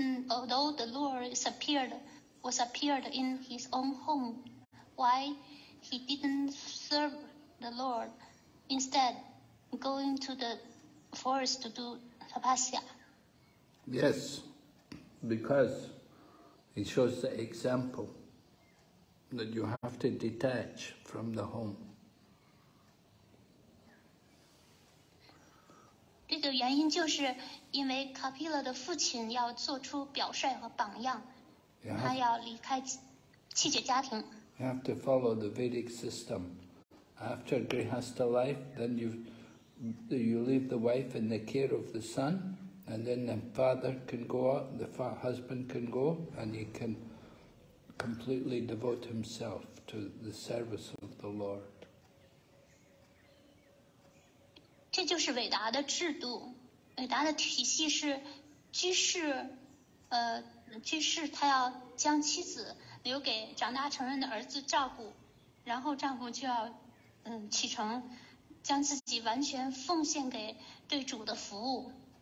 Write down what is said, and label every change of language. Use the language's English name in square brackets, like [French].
[English] Although the Lord was appeared in his own home, why he didn't serve the Lord instead going to the forest to do tapasya? Yes, because it shows the example that you have to detach from the home. [Chinese] 这个原因就是因为卡皮勒的父亲要做出表率和榜样，他要离开妻姐家庭。 [English] You have to follow the Vedic system. After Grihastha life, then you leave the wife in the care of the son, and then the father can go out, the husband can go, and he can completely devote himself to the service of the Lord. [Chinese] 这就是伟达的制度，伟达的体系是居士他要将妻子留给长大成人的儿子照顾，然后丈夫就要启程，将自己完全奉献给对主的服务。